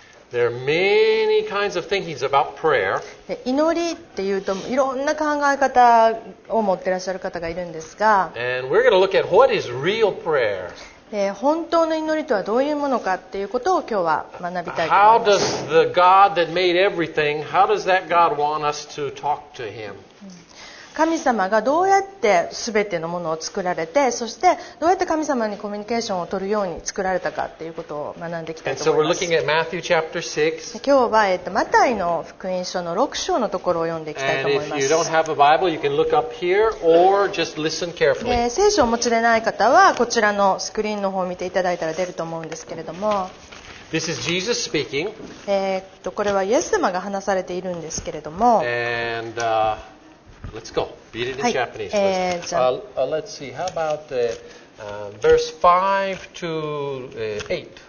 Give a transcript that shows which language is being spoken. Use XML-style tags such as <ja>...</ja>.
<en>There are many kinds of thinkings about prayer.</en> <ja>祈りっていうといろんな考え方を持ってらっしゃる方がいるんですが、</ja> <en>And we're going to look at what is real prayer.</en> <ja>本当の祈りとはどういうものかっていうことを今日は学びたいと思います。</ja> <en>How does the God that made everything, how does that God want us to talk to him?</en> <ja>神様がどうやって全てのものを作られて、そしてどうやって神様にコミュニケーションを取るように作られたかということを学んでいきたいと思います。</ja> <en>So we're looking at Matthew chapter 6.</en> <ja>今日はマタイの福音書の6章のところを読んでいきたいと思います。</ja> <en>And if you don't have a Bible, you can look up here or just listen carefully.</en> <ja>聖書をお持ちでない方はこちらのスクリーンの方を見ていただいたら出ると思うんですけれども、</ja> <en>This is Jesus speaking.</en> <ja>これはイエス様が話されているんですけれども、</ja> <en>AndLet's go. Read it in Japanese. Let's see. How about verse 5 to 8?</en>